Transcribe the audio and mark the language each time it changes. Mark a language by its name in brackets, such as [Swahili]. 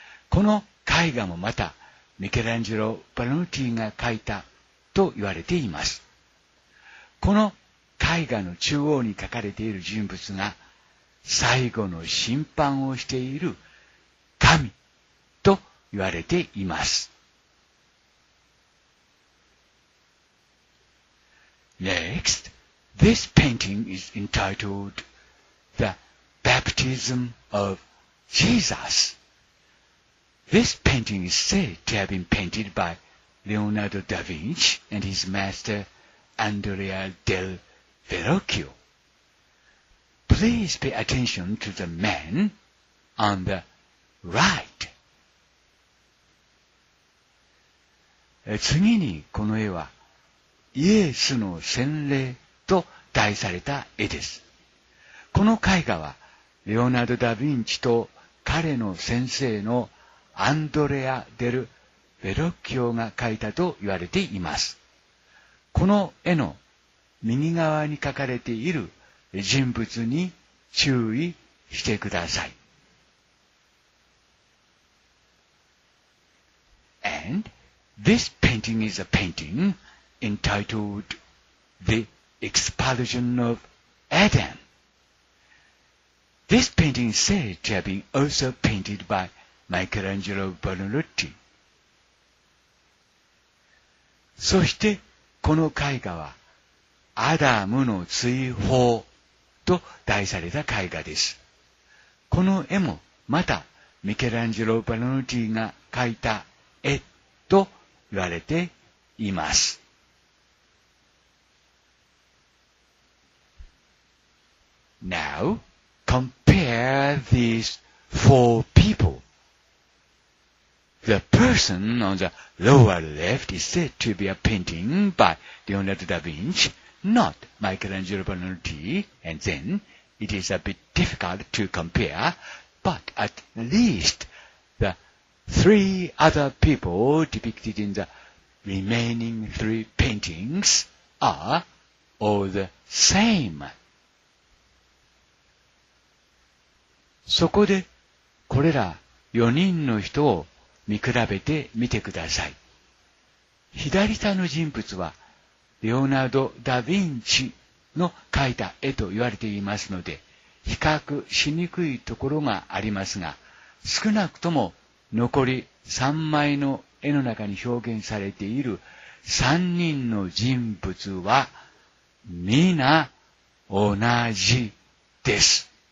[Japanese] この絵画もまたミケランジェロ・ブラノティが描いたと言われています。この絵画の中央に描かれている人物が最後の審判をしている神と言われています。 [English] Next, this painting is entitled The Baptism of Jesus. This painting is said to have been painted by Leonardo da Vinci and his master Andrea del Verrocchio. Please pay attention to the man on the right. [Japanese] 次にこの絵はイエスの洗礼と題された絵です。この絵画はレオナルド・ダ・ヴィンチと彼の先生のアンドレア・デル・ベロッキオが描いたと言われています。この絵の右側に描かれている人物に注意してください。 [English] And this painting is a paintingEntitled The Expulsion of Adam. This painting is said to have been also painted by Michelangelo Buonarroti. [Japanese] そしてこの絵画はアダムの追放と題された絵画です。この絵もまたミケランジェロ・バルノティが描いた絵と言われています。 [English] Now, compare these four people. The person on the lower left is said to be a painting by Leonardo da Vinci, not Michelangelo Buonarroti, and then it is a bit difficult to compare, but at least the three other people depicted in the remaining three paintings are all the same. [Japanese] そこでこれら4人の人を見比べてみてください。左下の人物はレオナルド・ダ・ヴィンチの描いた絵と言われていますので比較しにくいところがありますが、少なくとも残り3枚の絵の中に表現されている3人の人物は皆同じです。